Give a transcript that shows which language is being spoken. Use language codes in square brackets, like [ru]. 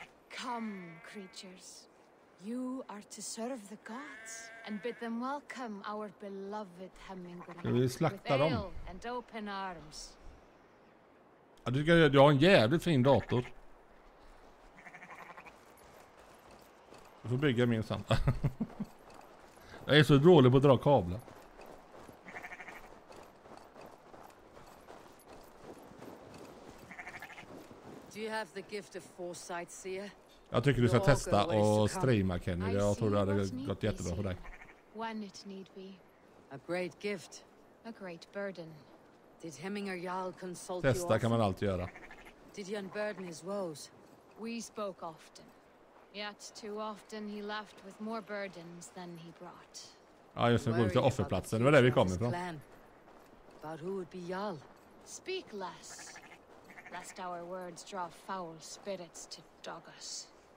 [en] Come, creatures. You are to serve the gods and bid them welcome our beloved Hemingway with ale and open arms. [sv] Ja, du har en jävligt fin dator. Du får bygga min sanda. Jag är så dålig på att dra kablar. [en] Do you have the gift of foresight, seer? [sv] Jag tycker du ska testa och streama, Kenny. Jag tror det hade gått jättebra för dig. [en] When it need be. A great gift. A great burden. Did Heminger Jarl consult you? [sv] Testa kan man alltid göra. [en] Did he unburden his woes? We spoke often. Yet too often he left with more burdens than he brought. [sv] Ah, just nu går vi till offerplatsen. Det var där vi kom ifrån. [en] But who would be Jarl? Speak less. Lest our words draw foul spirits to dog us.